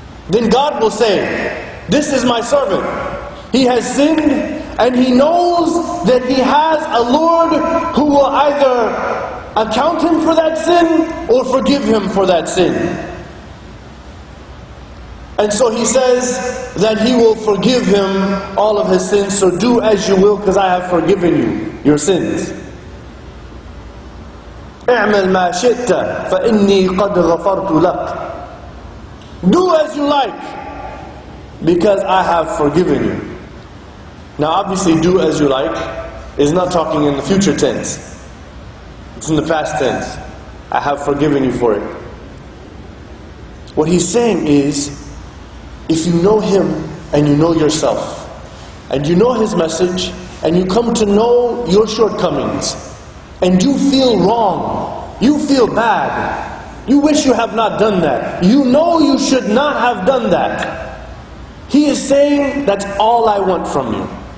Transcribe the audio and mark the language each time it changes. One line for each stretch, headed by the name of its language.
English: Then God will say, this is my servant. He has sinned and he knows that he has a Lord who will either account him for that sin or forgive him for that sin. And so he says that he will forgive him all of his sins. So do as you will, because I have forgiven you your sins.
Arabic: اعمل ما شئت فإني قد غفرت لك.
English: Do as you like, because I have forgiven you. Now obviously, do as you like is not talking in the future tense. It's in the past tense. I have forgiven you for it. What he's saying is, if you know him and you know yourself, and you know his message, and you come to know your shortcomings, and you feel wrong, you feel bad, you wish you have not done that, you know you should not have done that, he is saying, that's all I want from you.